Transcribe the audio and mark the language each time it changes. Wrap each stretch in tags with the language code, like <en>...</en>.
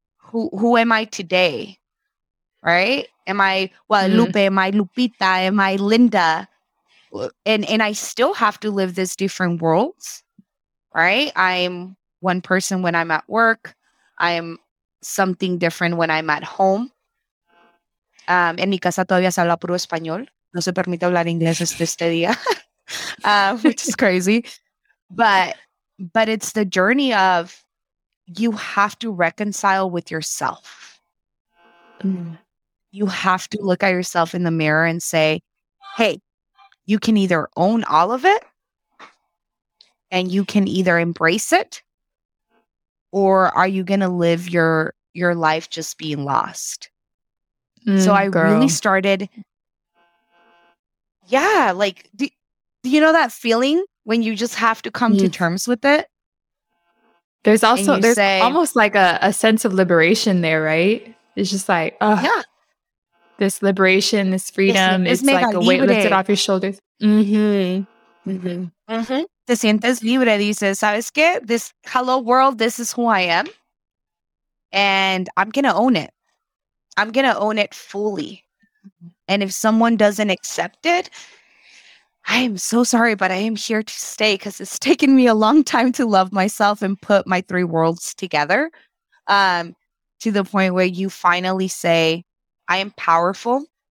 <en>Who am I today? Right? Am I Guadalupe? Am I Lupita? Am I Linda? And I still have to live this different worlds, right? I'm one person when I'm at work. I'm something different when I'm at home.</en> <es>En mi casa todavía se habla puro español. No se permite hablar inglés este día.</es> <en>which is crazy, but it's the journey of, you have to reconcile with yourself. You have to look at yourself in the mirror and say, hey, you can either own all of it and you can either embrace it, or are you going to live your life just being lost? Really started. Yeah. Like, do you know that feeling when you just have to come to terms with it? There's almost like a sense of liberation there, right? It's just like, oh, yeah. This liberation, this freedom, it's like a weight lifted off your shoulders.</en> <es>Te sientes libre, dices, ¿sabes qué?</es> <en>This hello world, this is who I am. And I'm going to own it. I'm going to own it fully. And if someone doesn't accept it, I am so sorry, but I am here to stay because it's taken me a long time to love myself and put my three worlds together to the point where you finally say, I am powerful.</en>